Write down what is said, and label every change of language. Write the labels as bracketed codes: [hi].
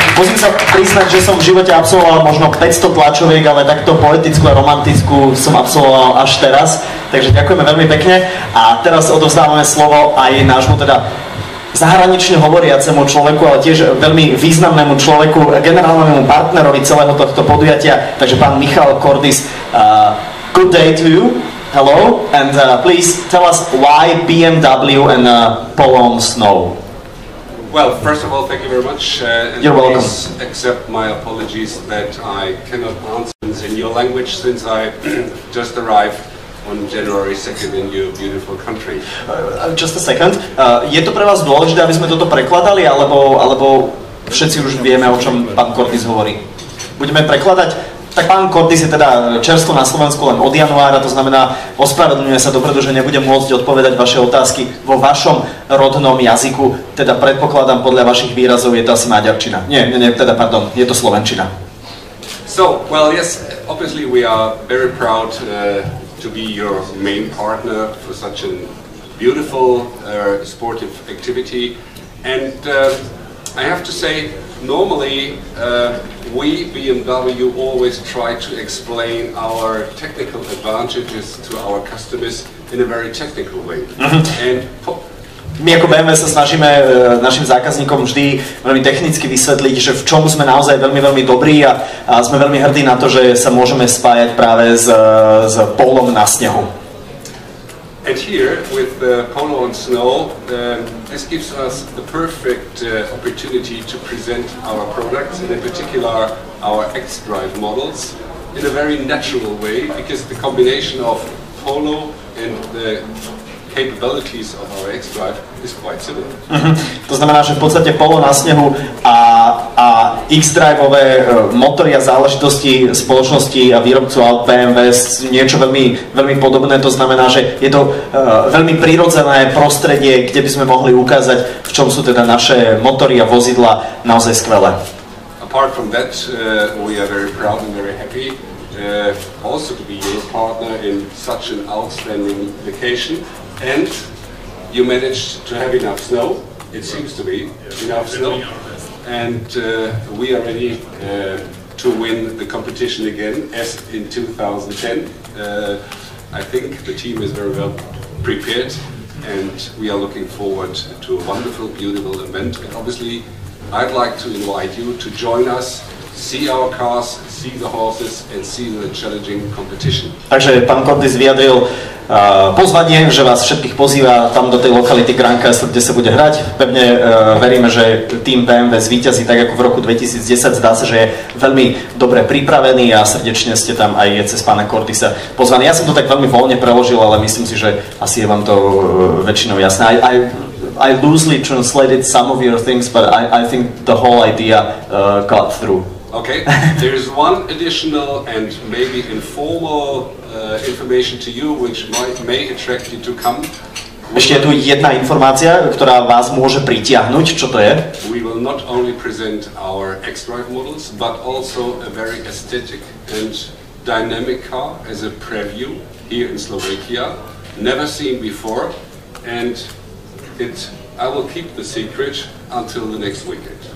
[sk] Musím sa priznať, že som v živote absolvoval možno 500 tlačoviek, ale takto poetickú a romantickú som absolvoval až teraz. Takže ďakujeme veľmi pekne. A teraz odovzdávame slovo aj nášmu teda zahranične hovoriacemu človeku, ale tiež veľmi významnému človeku, generálnemu partnerovi celého tohto podujatia. Takže pán Michal Kordis, [en] good day to you. Hello, and please tell us why BMW and Polon Snow. Well, first of all, thank you very much. You're welcome. Please accept my apologies that I cannot answer in your language since I just arrived on January 2nd in your beautiful country. Just a second. [sk] Je to pre vás dôležité, aby sme toto prekladali, alebo všetci už vieme, o čom pán Kordis hovorí? Budeme prekladať? Tak pán Kordis je teda čerstvo na Slovensku len od januára, to znamená, ospravedlňujem sa dopredu, že nebudem môcť odpovedať vaše otázky vo vašom rodnom jazyku, teda predpokladám podľa vašich výrazov, je to asi maďarčina. Nie, pardon, je to slovenčina. [en] So, well, yes, obviously we are very proud to be your main partner for such a beautiful sportive activity. And I have to say, normally, we BMW always try to explain our technical advantages to our customers in a very technical way. And [sk] my ako BMW sa snažíme našim zákazníkom vždy veľmi technicky vysvetliť, že v čom sme naozaj veľmi, veľmi dobrí a sme veľmi hrdí na to, že sa môžeme spájať práve s polom na snehu. [en] And here with the Polo on Snow, this gives us the perfect opportunity to present our products, and in particular our X-Drive models, in a very natural way, because the combination of Polo and the capabilities of our X-Drive is quite similar. [sk] To znamená, že v podstate Polo na snehu a X-Drive-ové motory a záležitosti spoločnosti a výrobcu aut BMW sú niečo veľmi, veľmi podobné. To znamená, že je to veľmi prirodzené prostredie, kde by sme mohli ukázať, v čom sú teda naše motory a vozidla naozaj skvelé. [en] Apart from that, we are very proud and very happy also to be your partner in such an outstanding location. And you managed to have enough snow, it seems to be, enough snow, and we are ready to win the competition again, as in 2010. I think the team is very well prepared, and we are looking forward to a wonderful, beautiful event. And obviously, I'd like to invite you to join us, see our cars, see the horses, and see the challenging competition. [sk] Takže pán Kordis vyjadril pozvanie, že vás všetkých pozýva tam do tej lokality Grand Castle, kde sa bude hrať. Pevne veríme, že tým BMW zvíťazí tak ako v roku 2010. Zdá sa, že je veľmi dobre pripravený a srdečne ste tam aj cez pána Kordisa pozvaní. Ja som to tak veľmi voľne preložil, ale myslím si, že asi je vám to väčšinou jasné. [en] I loosely translated some of your things, but I think the whole idea got through. Okay, there is one additional and maybe informal information to you, which may attract you to come. [sk] Ešte je tu jedna informácia, ktorá vás môže pritiahnuť. Čo to je? [en] We will not only present our X-Drive models, but also a very aesthetic and dynamic car as a preview here in Slovakia. Never seen before, and I will keep the secret until the next weekend.